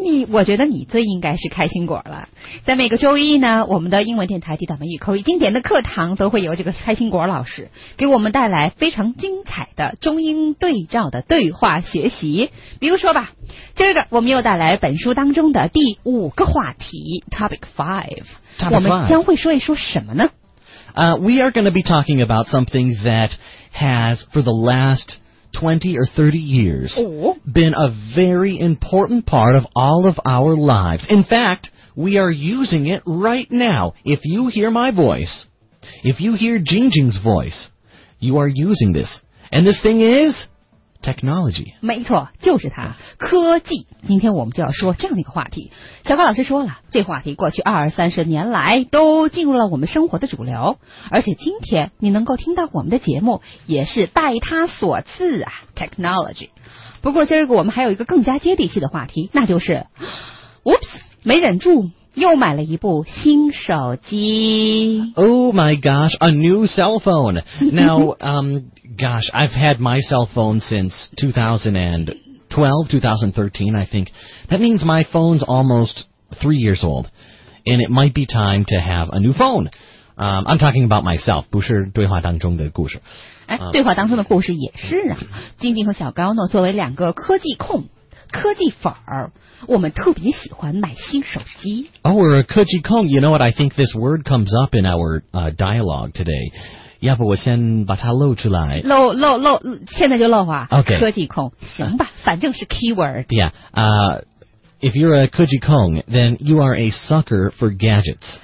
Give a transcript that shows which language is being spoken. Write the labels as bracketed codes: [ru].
[zh] 我觉得你最应该是开心果了。在每个周一呢，我们的英文电台地道美语口语经典的课堂都会由这个开心果老师给我们带来非常精彩的中英对照的对话学习。比如说吧，今儿个我们又带来本书当中的第五个话题 ， Topic Five。我们将会说一说什么呢？ [en] We are going to be talking about something that has for the last 20 or 30 years been a very important part of all of our lives. In fact, we are using it right now. If you hear my voice, if you hear Jing Jing's voice, you are using this. And this thing is... Technology. [zh] 没错，就是它，科技。今天我们就要说这样的一个话题。小高老师说了，这话题过去二三十年来都进入了我们生活的主流，而且今天你能够听到我们的节目也是拜他所赐啊， Technology。不过今儿个我们还有一个更加接地气的话题，那就是 Oops, 没忍住又买了一部新手机。 [en] Oh my gosh, a new cell phone. Now, gosh, I've had my cell phone since 2012, 2013, I think. That means my phone's almost 3 years old, and it might be time to have a new phone. [zh] I'm talking about myself, 不是对话当中的故事。对话当中的故事也是啊。晶晶和小高呢，作为两个科技控科技粉儿，我们特别喜欢买新手机。 [en] Oh, we're a 科技控.You know what? I think this word comes up in our dialogue today. [zh] 要不我先把它露出来。露，现在就露啊。 [en] Okay. [zh] 科技控，行吧，反正是 keyword. [en] Yeah. If you're a 科技控, then you are a sucker for gadgets.